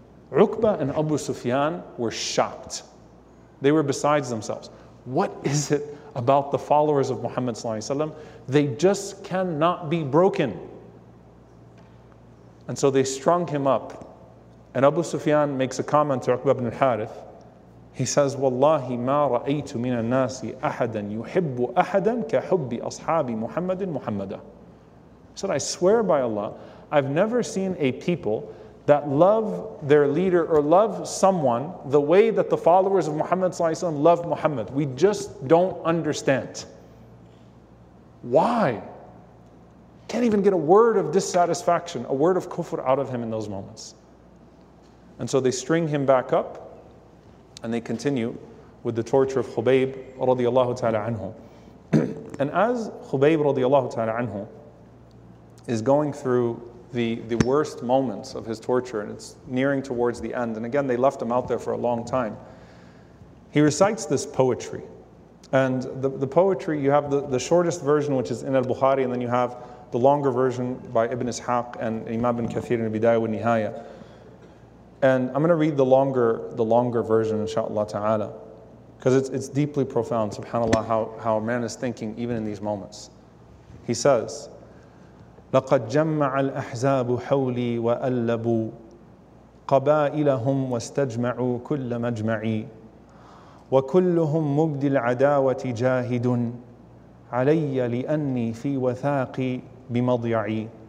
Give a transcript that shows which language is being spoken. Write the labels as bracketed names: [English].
[English] Uqba and Abu Sufyan were shocked. They were besides themselves. What is it about the followers of Muhammad ﷺ? They just cannot be broken. And so they strung him up. And Abu Sufyan makes a comment to Uqba ibn al-Harith. He says, [Arabic] وَاللَّهِ مَا رَأَيْتُ مِنَ النَّاسِ أَحَدًا يُحِبُّ أَحَدًا كَحُبِّ أَصْحَابِ مُحَمَّدٍ مُحَمَّدًا. [English] He said, I swear by Allah, I've never seen a people that love their leader or love someone the way that the followers of Muhammad ﷺ love Muhammad. We just don't understand. Why? Can't even get a word of dissatisfaction, a word of kufr out of him in those moments. And so they string him back up and they continue with the torture of Khubayb radiallahu ta'ala anhu. And as Khubayb radiallahu ta'ala anhu is going through the worst moments of his torture, and it's nearing towards the end, and again, they left him out there for a long time, he recites this poetry. And the poetry, you have the shortest version, which is in al-Bukhari, and then you have the longer version by Ibn Ishaq and Imam ibn Kathir in al-Bidayah wa al-Nihaya. And I'm going to read the longer version, inshaAllah ta'ala, because it's deeply profound, subhanAllah, how a man is thinking even in these moments. He says, [Arabic] لقد جمع الأحزاب حولي وألبوا قبائلهم واستجمعوا كل مجمعي وكلهم مبدي العداوة جاهد علي لأني في وثاقي بمضيعي